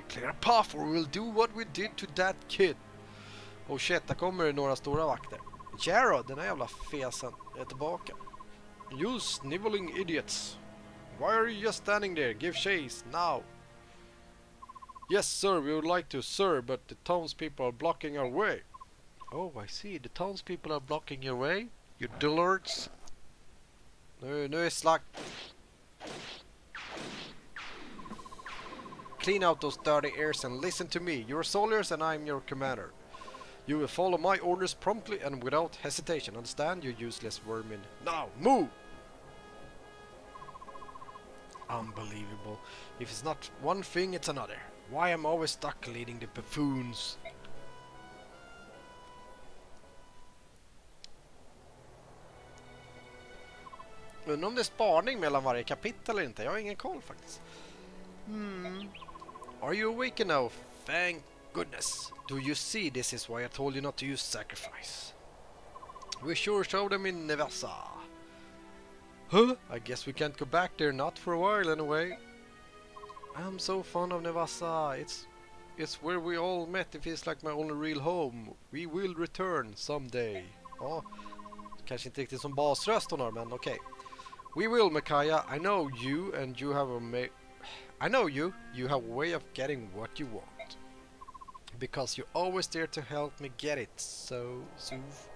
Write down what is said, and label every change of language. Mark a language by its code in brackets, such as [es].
[en] Clear a path or we'll do what we did to that kid. [sv] Oh shit, där kommer det några stora vakter. Jared, den här jävla fesen, är tillbaka. [en] You sniveling idiots. Why are you just standing there? Give chase, now. Yes sir, we would like to, sir, but the townspeople are blocking our way. Oh, I see, the townspeople are blocking your way? You dullards. [sv] Nu är slakt. [en] Clean out those dirty ears and listen to me. You're soldiers and I'm your commander. You will follow my orders promptly and without hesitation. Understand, you useless vermin. Now, move! Unbelievable. If it's not one thing, it's another. Why am I always stuck leading the buffoons? [sv] Undra om det är spaning mellan varje kapitel eller inte. Jag har ingen koll faktiskt. [en] Hmm. Are you awake now? Thank goodness. Do you see this is why I told you not to use sacrifice? We sure showed them in Nevesa. Huh? I guess we can't go back there, not for a while anyway. I'm so fond of Nevesa. It's where we all met. It feels like my only real home. We will return someday. [sv] Ja, kanske inte riktigt som basröst hon har, men okej. [en] We will, Micaiah. I know you have a way of getting what you want. Because you're always there to help me get it, so soon.